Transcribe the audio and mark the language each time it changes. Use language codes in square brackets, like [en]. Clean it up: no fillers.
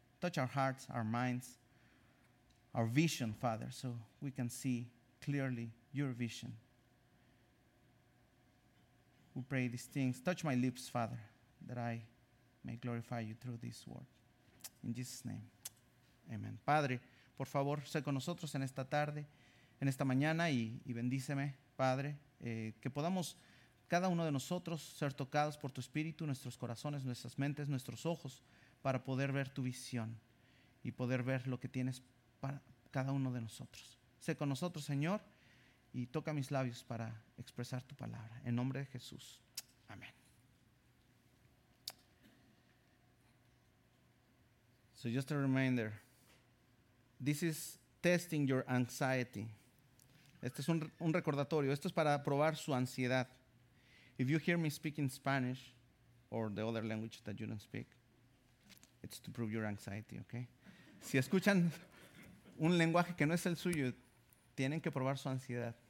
[en] Touch our hearts, our minds, our vision, Father, so we can see clearly your vision. We pray these things. Touch my lips, Father, that I may glorify you through this word. In Jesus' name, amen. [es] Padre, por favor, sé con nosotros en esta tarde, en esta mañana, y bendíceme, Padre, que podamos cada uno de nosotros ser tocados por tu espíritu, nuestros corazones, nuestras mentes, nuestros ojos, para poder ver tu visión y poder ver lo que tienes para cada uno de nosotros. Sé con nosotros, Señor, y toca mis labios para expresar tu palabra. En nombre de Jesús. Amén. [en] So just a reminder. This is testing your anxiety. [es] Este es un recordatorio. Esto es para probar su ansiedad. [en] If you hear me speak in Spanish or the other language that you don't speak, it's to prove your anxiety, okay? [es] Si escuchan un lenguaje que no es el suyo, tienen que probar su ansiedad.